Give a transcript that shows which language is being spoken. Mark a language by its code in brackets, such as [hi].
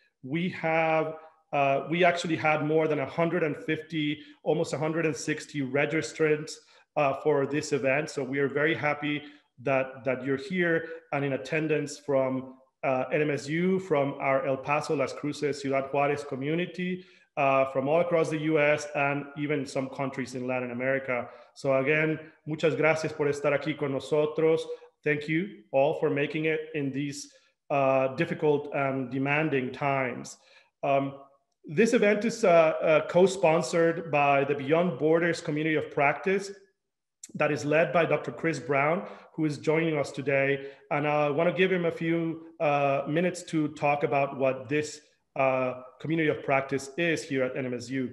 [en] We actually had more than 150, almost 160 registrants for this event. So we are very happy that you're here and in attendance from NMSU, from our El Paso, Las Cruces, Ciudad Juarez community, from all across the US and even some countries in Latin America. So again, [es] muchas gracias por estar aquí con nosotros. [en] Thank you all for making it in these difficult and demanding times. This event is co-sponsored by the Beyond Borders Community of Practice that is led by Dr. Chris Brown, who is joining us today. And I wanna give him a few minutes to talk about what this community of practice is here at NMSU.